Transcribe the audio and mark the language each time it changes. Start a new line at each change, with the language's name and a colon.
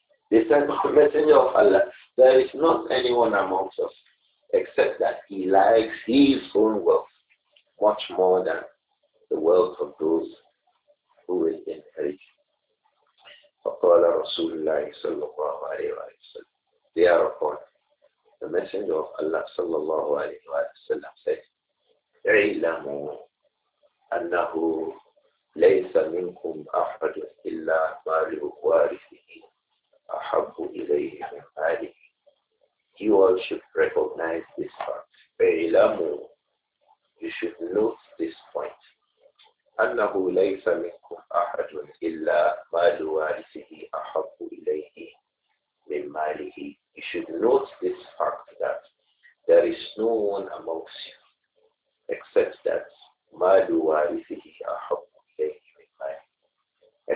English: They said, the messenger of Allah, there is not anyone amongst us except that he likes his own wealth much more than the wealth of those who will inherit.
Arabic: فَقَالَ رَسُولُ اللَّهِ صَلَّى اللَّهُ عَلَيْهِ وَسَلَّمَ.
English: Thereupon, the messenger of Allah
Arabic: صلى الله عليه وسلم said, اِعْلَمُوا أَنَّهُ لَيْسَ مِنْكُمْ أَحَدٌ إِلَّا مَالُهُ وَارِثِهِ أَحَبُّ إِلَيْهِ مِنْ مَالِهِ.
English: You all should recognize this fact.
Arabic: اِعْلَمُوا.
English: You should note this point.
Arabic: أَنَّهُ لَيْسَ مِنْكُمْ أَحَدٌ إِلَّا مَالُ وَارِثِهِ أَحَبُّ إِلَيْهِ مِنْ مَالِهِ.
English: You should note this fact that there is no one amongst you except that
Arabic: مَالُ وَارِثِهِ أَحَبُّ إِلَيْهِ مِنْ مَالِهِ.